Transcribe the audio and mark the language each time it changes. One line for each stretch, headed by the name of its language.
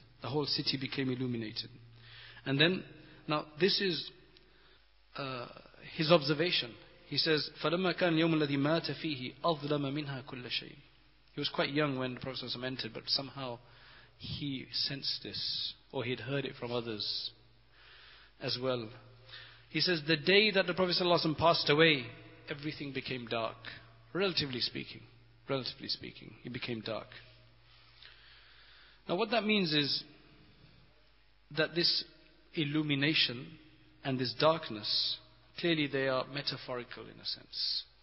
English: The whole city became illuminated. And then, now this is his observation. He says,
Arabic: فَلَمَّا كَانَ الْيَوْمُ الَّذِي مَاتَ فِيهِ أَظْلَمَ مِنْهَا كُلَّ شَيْءٍ.
English: He was quite young when the Prophet ﷺ entered, but somehow he sensed this, or he had heard it from others as well. He says, the day that the Prophet ﷺ passed away, everything became dark. Relatively speaking, it became dark. Now what that means is that this illumination and this darkness, clearly they are metaphorical in a sense.